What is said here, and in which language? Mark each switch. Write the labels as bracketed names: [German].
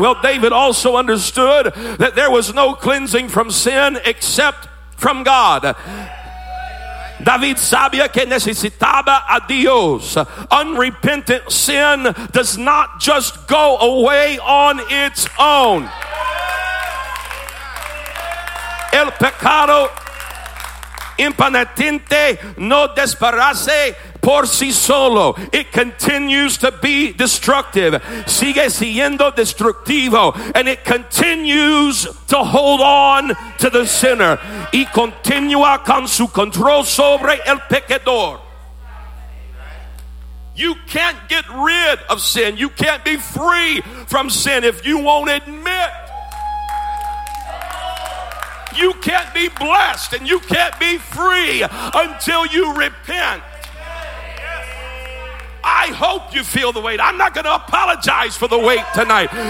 [English] Well, David also understood that there was no cleansing from sin except from God. [Spanish] David sabía que necesitaba a Dios. [English] Unrepentant sin does not just go away on its own. [Spanish] El pecado impenitente no desaparece por sí solo. [English] It continues to be destructive. [Spanish] Sigue siendo destructivo. [English] And it continues to hold on to the sinner. [Spanish] Y continúa con su control sobre el pecador. [English] You can't get rid of sin. You can't be free from sin if you won't admit. You can't be blessed and you can't be free until you repent. I hope you feel the weight. I'm not going to apologize for the weight tonight.